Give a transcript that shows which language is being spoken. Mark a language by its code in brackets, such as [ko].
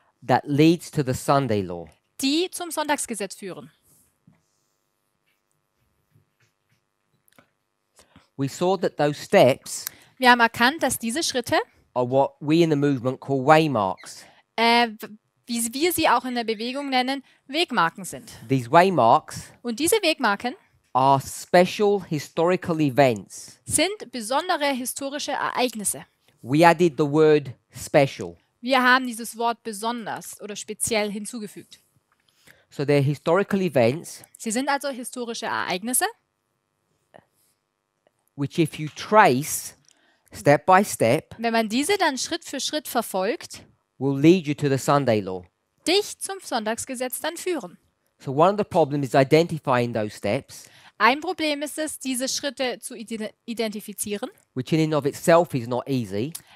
[en] that leads to the Sunday law, [de] die zum Sonntagsgesetz führen. [en] We saw that those steps, [de] wir haben erkannt, dass diese Schritte, [en] are what we in the movement call waymarks, [de] wie wir sie auch in der Bewegung nennen, Wegmarken sind. [en] These waymarks, [de] und diese Wegmarken, [en] are special historical events, [de] sind besondere historische Ereignisse. [en] We added the word special. [de] Wir haben dieses Wort besonders oder speziell hinzugefügt. [en] So they're historical events, [de] sie sind also historische Ereignisse, [en] which if you trace step by step, [de] wenn man diese dann Schritt für Schritt verfolgt, [en] will lead you to the Sunday law. [de] Dich zum Sonntagsgesetz dann führen. [en] So one of the problems is identifying those steps. [de] Ein Problem ist es, diese Schritte zu identifizieren. [en] Which in and of itself is not easy.